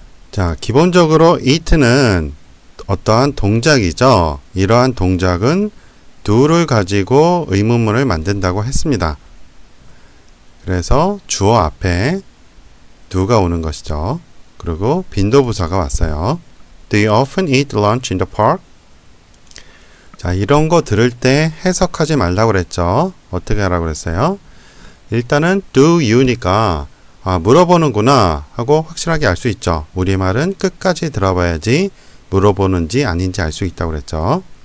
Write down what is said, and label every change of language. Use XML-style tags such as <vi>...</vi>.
<ko>자, 기본적으로 eat는 어떠한 동작이죠. 이러한 동작은 do를 가지고 의문문을 만든다고 했습니다. 그래서 주어 앞에 do가 오는 것이죠. 그리고 빈도 부사가 왔어요.</ko> <en>Do you often eat lunch in the park?</en> <ko>자, 이런 거 들을 때 해석하지 말라고 그랬죠. 어떻게 하라고 그랬어요? 일단은</ko> <en>do you</en> <ko>니까 아, 물어보는구나 하고 확실하게 알 수 있죠. 우리 말은 끝까지 들어봐야지 물어보는지 아닌지 알 수 있다고 그랬죠.</ko>